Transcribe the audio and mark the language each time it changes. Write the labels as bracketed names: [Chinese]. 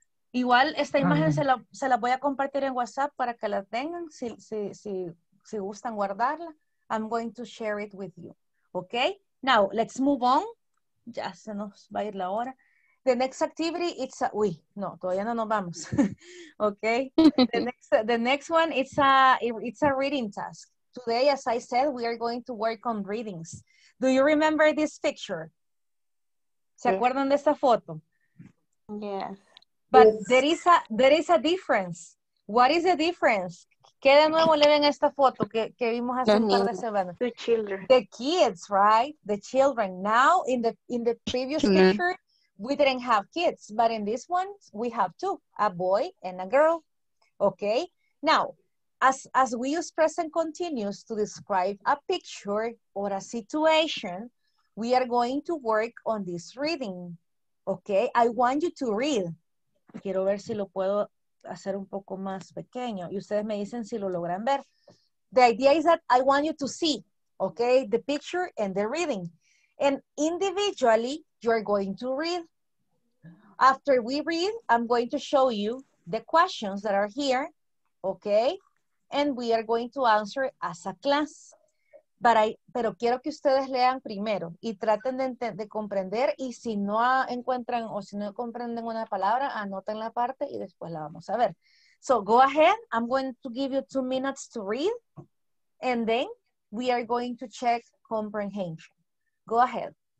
[Spanish] Igual esta imagen se la voy a compartir en WhatsApp para que la tengan. Si gustan guardarla, [English] I'm going to share it with you. ¿Ok? Now, let's move on. [Spanish] ya se nos va a ir la hora. [English] The next activity, it's a, [Spanish] uy, no, todavía no nos vamos. Okay. [English] The next one, it's a reading task. Today, as I said, we are going to work on readings. Do you remember this picture? [Spanish] ¿Se acuerdan de esta foto? [English] Yes. But there is a difference. What is the difference? [Spanish] ¿Qué de nuevo le ven a esta foto que vimos hace un par de semanas? [English] The children. The kids, right? The children. Now, in the previous picture, we didn't have kids. But in this one, we have two. A boy and a girl. Okay? Now, as we use present continuous to describe a picture or a situation, we are going to work on this reading. Okay? I want you to read. [Spanish] Quiero ver si lo puedo hacer un poco más pequeño. Y ustedes me dicen si lo logran ver. [English] The idea is that I want you to see, okay, the picture and the reading. And individually, you're going to read. After we read, I'm going to show you the questions that are here, okay? And we are going to answer as a class. [Spanish] Pero quiero que ustedes lean primero y traten de comprender, y si no encuentran o si no comprenden una palabra, anoten la parte y después la vamos a ver. [English] So go ahead, I'm going to give you 2 minutes to read, and then we are going to check comprehension. Go ahead.